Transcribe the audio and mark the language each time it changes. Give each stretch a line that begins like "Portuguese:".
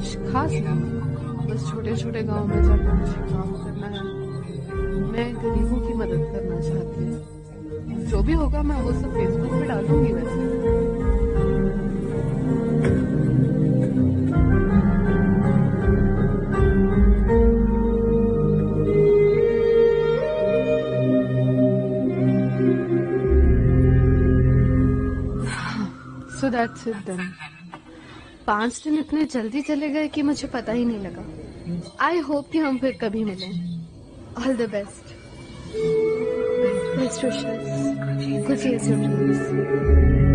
Hindi: खास बस छोटे छोटे गांव में जाकर मुझे काम करना है, मैं गरीबों की मदद करना चाहती हूँ। जो भी होगा मैं वो सब फेसबुक पे डालूंगी।
English: वैसे That's it then.
Hindi: 5 दिन इतने जल्दी चले गए कि मुझे पता ही नहीं लगा।
English: I hope
Hindi: कि हम फिर कभी मिलें।
English: All the best. Best wishes. Good see you.